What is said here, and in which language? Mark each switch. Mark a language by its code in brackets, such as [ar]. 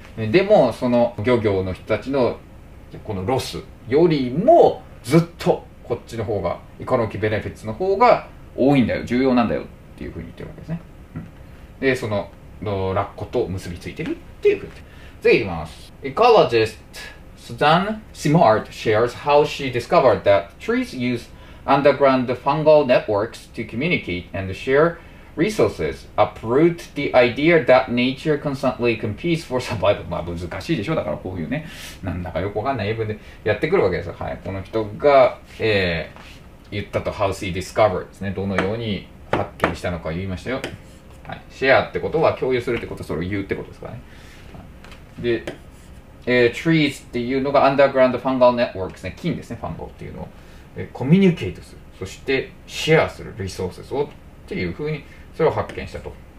[ja] でも、その漁業の人たちのこのロスよりもずっとこっちの方が、イコロキベネフィッツの方が多いんだよ。重要なんだよっていうふうに言ってるわけですね。うん、で、そのラッコと結びついてるっていうふうに言って。次いきます。Ecologist. [en] Suzanne Simard shares how she discovered that trees use underground fungal networks to communicate and share resources, uproot the idea that nature constantly competes for survival. [ja] まあ難しいでしょ。だからこういうね、なんだかよくわかんない英文でやってくるわけです。はい。この人が、言ったと、 [en] how she discovered [ja] ですね。どのように発見したのか言いましたよ。はい。シェアってことは共有するってことは、それを言うってことですからね。で、trees っていうのが [en] underground fungal networks [ja] ね、菌ですね、ファンゴっていうのを、コミュニケートする、そしてシェアするリソースをっていうふうにそれを発見したと。